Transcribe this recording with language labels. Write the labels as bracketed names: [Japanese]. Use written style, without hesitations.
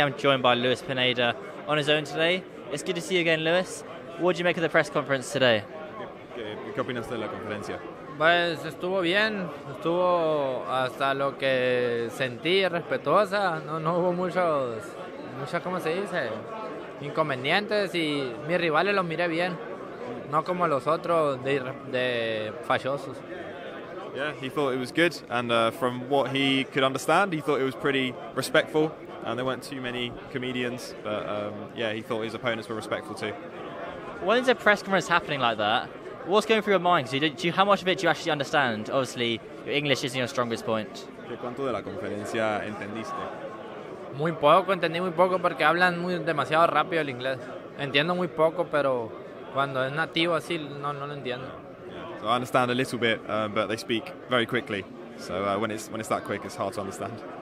[English] I'm joined by Lewis Pineda on his own today. It's good to see you again, Lewis. What did you make of the press conference today? [Spanish] ¿Qué opinas de la conferencia? Pues estuvo bien, estuvo hasta lo que sentí, respetuosa. No hubo muchos, ¿cómo se dice? Inconvenientes, y mis rivales los miré bien, no como los otros de fallosos. [English] Yeah, he thought it was good, and from what he could understand, he thought it was pretty respectful, and there weren't too many comedians, but yeah, he thought his opponents were respectful too. When is a press conference happening like that? What's going through your mind? How much of it do you actually understand? Obviously, your English isn't your strongest point. [Spanish] ¿Qué cuánto de la conferencia entendiste? Muy poco, entendí muy poco porque hablan muy demasiado rápido el inglés. Entiendo muy poco, pero cuando es nativo así, no lo entiendo. [English] So I understand a little bit, but they speak very quickly. So when it's that quick, it's hard to understand.